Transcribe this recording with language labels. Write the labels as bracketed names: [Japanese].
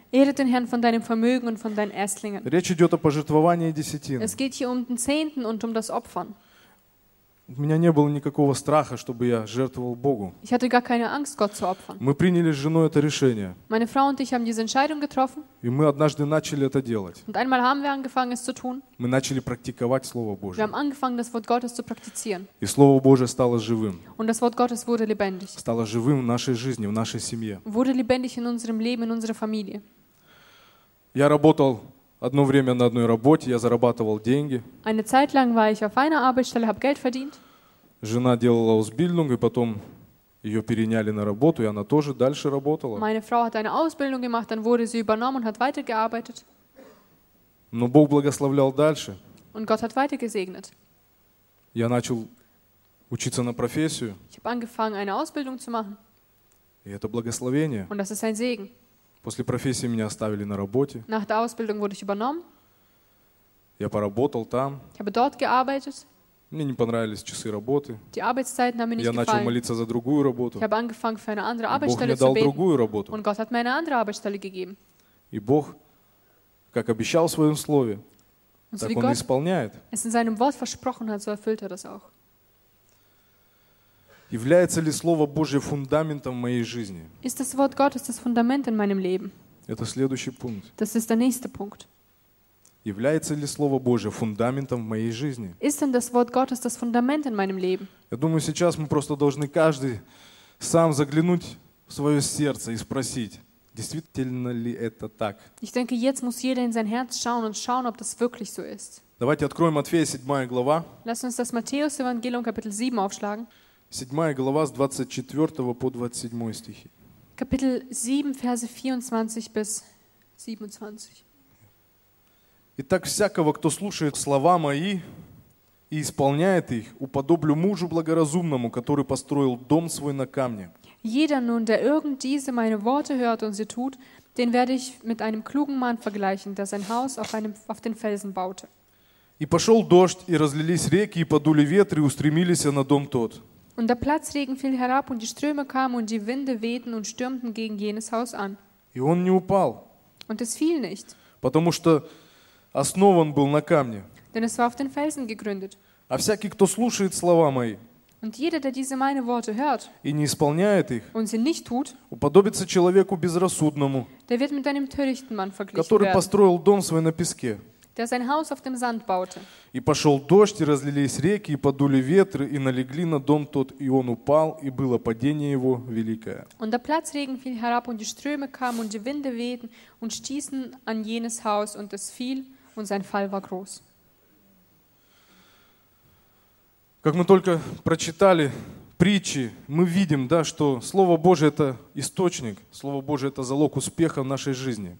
[German] Ehre den Herrn von deinem Vermögen und von deinen Erstlingen. [Russian] Речь идет о пожертвовании десятины. [German] Es geht hier um den Zehnten und um das Opfern. [Russian] У меня не было никакого страха, чтобы я жертвовал Богу. [German] Ich hatte gar keine Angst, Gott zu opfern. [Russian] Мы приняли с женой это решение. [German] Meine Frau und ich haben diese Entscheidung getroffen. [Russian] И мы однажды начали это делать. [German] Und einmal haben wir angefangen, es zu tun. [Russian] Мы начали практиковать Слово Божие. [German] Wir haben angefangen, das Wort Gottes zu praktizieren. [Russian] И Слово Божие стало живым. [German] Und das Wort Gottes wurde lebendig. [Russian] Стало живым в нашей жизни, в нашей семье. [German] Wurde lebendig in unserem Leben, in unserer Familie. [Russian] Я работал одно время на одной работе, я зарабатывал деньги. [German] Eine Zeit lang war ich auf einer Arbeitsstelle, habe Geld verdient. [Russian] Жена делала Ausbildung, и потом ее переняли на работу, и она тоже дальше работала. [German] Meine Frau hat eine Ausbildung gemacht, dann wurde sie übernommen und hat weitergearbeitet. [Russian] Но Бог благословлял дальше. [German] Und Gott hat weiter gesegnet. [Russian] Я начал учиться на профессию. [German] Ich habe angefangen, eine Ausbildung zu machen. [Russian] И это благословение. [German] Und das ist ein Segen. [Russian] После профессии меня оставили на работе. [German] Nach der Ausbildung wurde ich übernommen. [Russian] Я поработал там. [German] Ich habe dort gearbeitet. [Russian] Мне не понравились часы работы. [German] Die Arbeitszeiten haben mir nicht gefallen. [Russian] Я начал молиться за другую работу. [German] Ich habe angefangen für eine andere Arbeitsstelle zu beten. [Russian] Бог мне дал другую работу. [German] Und Gott hat mir eine andere Arbeitsstelle gegeben. [Russian] И Бог, как обещал в своем слове, так Он исполняет. [German] Es in seinem Wort versprochen hat, so erfüllt er das auch. [Russian] Является ли Слово Божье фундаментом моей жизни? [German] Ist das Wort Gottes das Fundament in meinem Leben? [Russian] Это следующий пункт. [German] Das ist der nächste Punkt. [Russian] Является ли Слово Божье фундаментом моей жизни? [German] Ist denn das Wort Gottes das Fundament in meinem Leben? [Russian] Я думаю, сейчас мы просто должны каждый сам заглянуть в свое сердце и спросить, действительно ли это так? [German] Ich denke, jetzt muss jeder in sein Herz schauen und schauen, ob das wirklich so ist. [Russian] Давайте откроем Матфея 7 глава. [German] Lass uns das Matthäus-Evangelium Kapitel 7 aufschlagen. [Russian] 7 глава с 24 по 27 стихи. [German] Kapitel 7, Verse 24 bis 27. [Russian] Итак, всякого, кто слушает слова мои и исполняет их, уподоблю мужу благоразумному, который построил дом свой на камне. [German] Jeder nun, der irgend diese meine Worte hört und sie tut, den werde ich mit einem klugen Mann vergleichen, der sein Haus auf den Felsen baute. [Russian] И пошел дождь, и разлились реки, и подули ветры, и устремились на дом тот. [German] Und der Platzregen fiel herab, und die Ströme kamen, und die Winde wehten und stürmten gegen jenes Haus an. [Russian] И он не упал. [German] Und es fiel nicht. [Russian] Потому что основан был на камне. [German] Denn es war auf den Felsen gegründet. [Russian] А всякий, кто слушает слова мои. [German] Und jeder, der diese meine Worte hört, [Russian] и не исполняет их, [German] und sie nicht tut, [Russian] уподобится человеку безрассудному, [German] der wird mit einem törichten Mann verglichen [Russian] который [German] werden, [Russian] построил дом свой на песке, [German] der sein Haus auf dem Sand baute. [Russian] И пошел дождь, и разлились реки, и подули ветры, и налегли на дом тот, и он упал, и было падение его великое. [German] Und der Platzregen fiel herab, und die Ströme kamen, und die Winde wehten, und stießen an jenes Haus, und es fiel, und sein Fall war groß. [Russian] Как мы только прочитали притчи, мы видим, да, что Слово Божие это источник, Слово Божие это залог успеха в нашей жизни.